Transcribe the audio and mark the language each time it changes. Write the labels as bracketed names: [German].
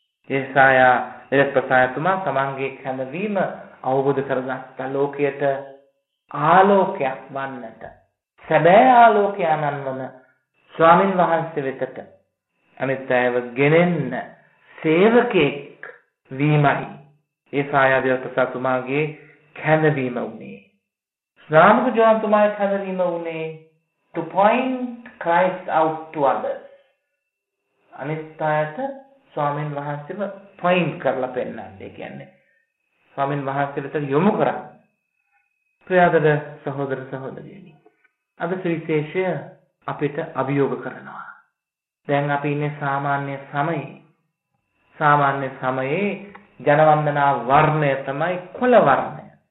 [Sinhala] Isaiah අධිවස් ප්‍රසාදිතුමා තමන්ගේ කැඳවීම අවබෝධ කරගත්ත ලෝකයට ආලෝකයක් වන්නට, සැබෑ ආලෝකයානන් වන ස්වාමීන් වහන්සේ වෙතට අනිත් අයව ගෙනෙන්න සේවකෙක් වීමයි ඒසාය අධිවස් ප්‍රසාදිතුමාගේ කැඳවීම වුණේ. ස්නාමක ජෝන්තුමාගේ කැඳවීම වුණේ [English] to point Christ out to others. [Sinhala] අනිත් අයට ස්වාමීන් වහන්සේව point කරලා පෙන්නන්න. ඒ කියන්නේ ස්වාමීන් වහන්සේ වෙතට යොමු කරා. ප්‍රියදර සහෝදර සහෝදරියනි, අද සුවිශේෂය අපිට අභියෝග කරනවා. දැන් අපි ඉන්නේ සාමාන්‍ය සමයේ. සාමාන්‍ය සමයේ ජනවන්දනා වර්ණය තමයි කොළ වර්ණය.